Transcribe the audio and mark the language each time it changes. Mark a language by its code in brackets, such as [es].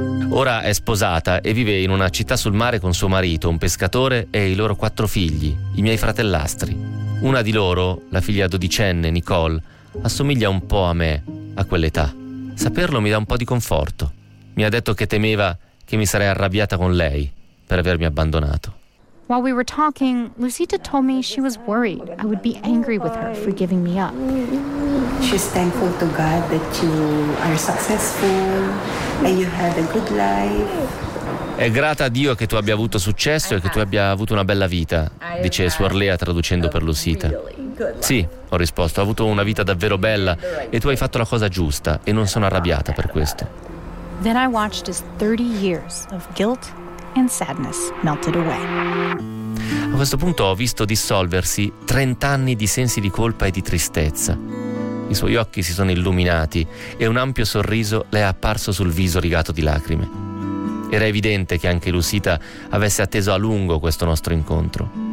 [it] Ora è sposata e vive in una città sul mare con suo marito, un pescatore, e i loro 4 figli, i miei fratellastri. Una di loro, la figlia 12enne, Nicole, assomiglia un po' a me a quell'età. Saperlo mi dà un po' di conforto. Mi ha detto che temeva che mi sarei arrabbiata con lei per avermi abbandonato. [en] While we were talking, Lucita told me she was worried I would be angry with her for giving me up. She's thankful to God that you are successful and you had a good life. [it] È grata a Dio che tu abbia avuto successo e che tu abbia avuto una bella vita, dice Suor Lea traducendo per Lucita. Sì, ho risposto, ho avuto una vita davvero bella e tu hai fatto la cosa giusta e non sono arrabbiata per questo. [en] Then I watched as 30 years of guilt and sadness melted away. [it] A questo punto ho visto dissolversi 30 anni di sensi di colpa e di tristezza. I suoi occhi si sono illuminati e un ampio sorriso le è apparso sul viso rigato di lacrime. Era evidente che anche Lucita avesse atteso a lungo questo nostro incontro.